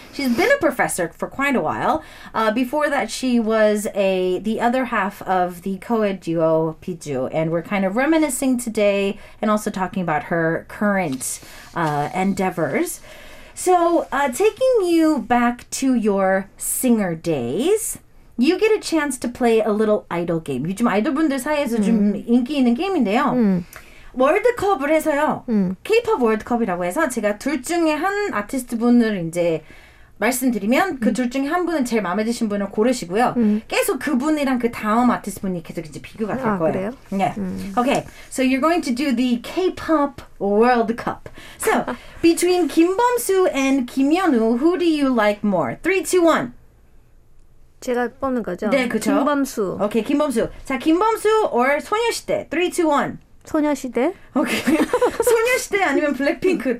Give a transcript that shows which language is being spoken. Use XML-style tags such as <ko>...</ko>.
<en>She's been a professor for quite a while. Before that, she was the other half of the co-ed duo, Biju. And we're kind of reminiscing today and also talking about her current endeavors. So, taking you back to your singer days, you get a chance to play a little idol game.</en> <ko>요즘 아이돌분들 사이에서 좀 인기 있는 게임인데요. 월드컵을 해서요. K-pop 월드컵이라고 해서 제가 둘 중에 한 아티스트 분을 이제 말씀드리면 그 둘 중에 한 분은 제일 마음에 드신 분을 고르시고요. 계속 그분이랑 그 다음 아티스트 분이 계속 이제 비교가 될 거예요. 그래요?</ko> <en>Yeah. Okay. So you're going to do the K-pop World Cup. So between Kim Bomsu and Kim Yeonu, who do you like more? 3, 2, 1.</en> <ko>제가 뽑는 거죠? 네, 그렇죠. 김범수. Okay, 김범수. 자, 김범수 or 소녀시대. 3, 2, 1. 소녀시대.</ko> <en>Okay.</en> <ko>소녀시대 아니면 블랙핑크.</ko>